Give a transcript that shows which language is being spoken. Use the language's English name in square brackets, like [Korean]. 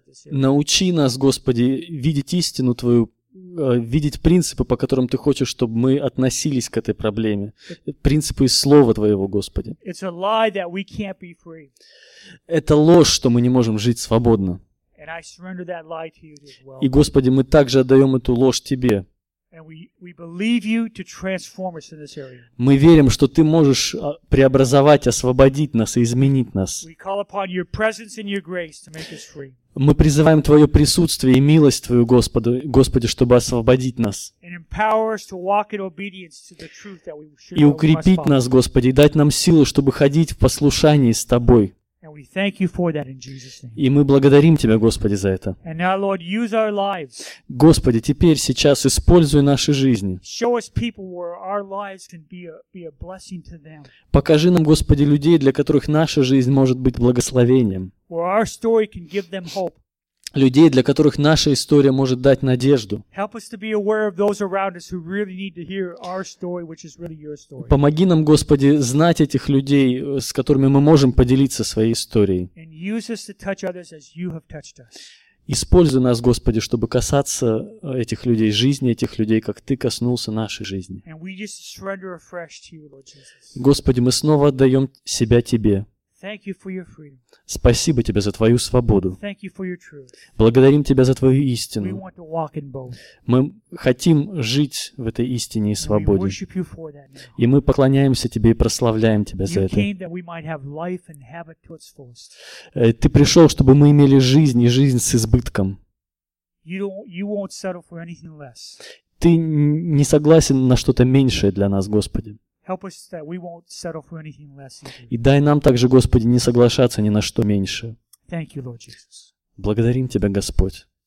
[Russian] Научи нас, Господи, видеть истину Твою, видеть принципы, по которым Ты хочешь, чтобы мы относились к этой проблеме. Принципы из Слова Твоего, Господи. [English] It's a lie that we can't be free. [Russian] Это ложь, что мы не можем жить свободно. [English] And I surrender that lie to you as well. [Russian] И, Господи, мы также отдаем эту ложь Тебе. [English] And we believe you to transform us in this area. [Russian] Мы верим, что Ты можешь преобразовать, освободить нас и изменить нас. [English] We call upon your presence and your grace to make us free. [Russian] Мы призываем Твое присутствие и милость Твою, Господи, чтобы освободить нас. [English] And empower us to walk in obedience to the truth that we should follow. [Russian] И укрепить нас, Господи, и дать нам силу, чтобы ходить в послушании с Тобой. [English] And we thank you for that in Jesus' name. [Russian] И мы благодарим Тебя, Господи, за это. [English] And now, Lord, use our lives. [Russian] Господи, теперь, сейчас, используй наши жизни. [English] Show us people where our lives can be a blessing to them. [Russian] Покажи нам, Господи, людей, для которых наша жизнь может быть благословением. [English] Where our story can give them hope. [Russian] Людей, для которых наша история может дать надежду. [English] Help us to be aware of those around us who really need to hear our story, which is really your story. [Russian] Помоги нам, Господи, знать этих людей, с которыми мы можем поделиться своей историей. [English] And use us to touch others as you have touched us. [Russian] Используй нас, Господи, чтобы касаться этих людей, жизни этих людей, как Ты коснулся нашей жизни. [English] And we just surrender afresh to you, Lord Jesus. [Russian] Господи, мы снова отдаем себя Тебе. [English] Thank you for your freedom. [Russian] Спасибо тебе за твою свободу. [English] Thank you for your truth. [Russian] Благодарим тебя за твою истину. [English] We want to walk in both. [Russian] Мы хотим жить в этой истине и свободе. [English] We worship you for that now. [Russian] И мы поклоняемся тебе и прославляем тебя за это. [English] You came that we might have life and have it to its fullest. [Russian] Ты пришел, чтобы мы имели жизнь и жизнь с избытком. [English] You won't settle for anything less. [Russian] Ты не согласен на что-то меньшее для нас, Господи. [English] Help us that we won't settle for anything less. [Russian] И дай нам также, Господи, не соглашаться ни на что меньше. [English] Thank you, Lord Jesus. [Russian] Благодарим Тебя, Господь.